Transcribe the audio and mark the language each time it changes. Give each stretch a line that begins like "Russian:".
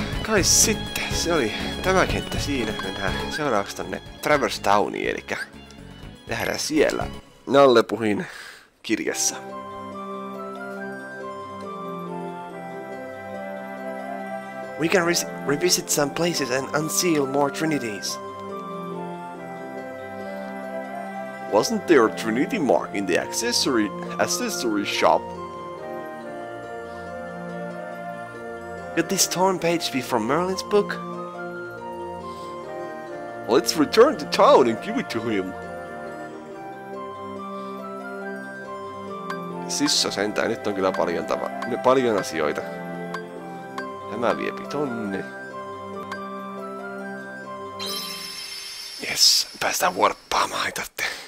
Finnish: Ai sitten, se oli tämä kenttä siinä. Mennään seuraavaksi tänne Traverse Towniin, elikkä nähdään siellä Nallepuhin kirjassa.
English: We can revisit some places and unseal more trinities. Wasn't there a trinity mark in the accessory shop? Could this torn page be from Merlin's book? Let's return to town and give it to him.
Finnish: Sissa sentään, nyt on kyllä paljon asioita. Tämä viepi tonne. Yes, päästään warppaamaan, ei tarvitse.